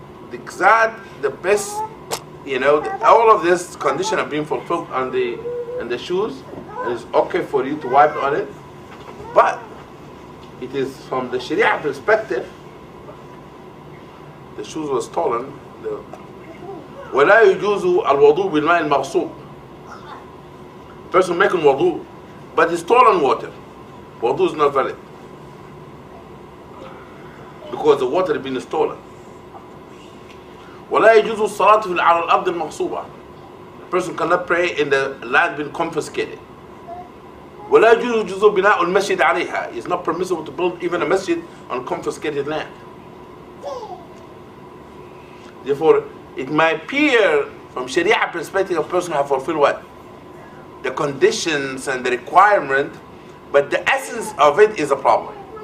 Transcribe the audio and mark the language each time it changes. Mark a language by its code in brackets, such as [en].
[en] The exact, the best, you know, all of this condition of being fulfilled on the shoes, and it's okay for you to wipe on it. But it is from the Sharia perspective, the shoes were stolen. [ar] ولا يجوز الوضوء بالماء المغصوب. [en] Person making wudu, but it's stolen water. Wudu is not valid. Because the water has been stolen. [ar] ولا يجوز الصلاة على الأرض المغصوبة. [en] Person cannot pray in the land been confiscated. [ar] ولا يجوز جزء بناء المسجد عليها. [en] It's not permissible to build even a masjid on confiscated land. Therefore, it might appear from Sharia perspective a person have fulfilled what? The conditions and the requirement, but the essence of it is a problem.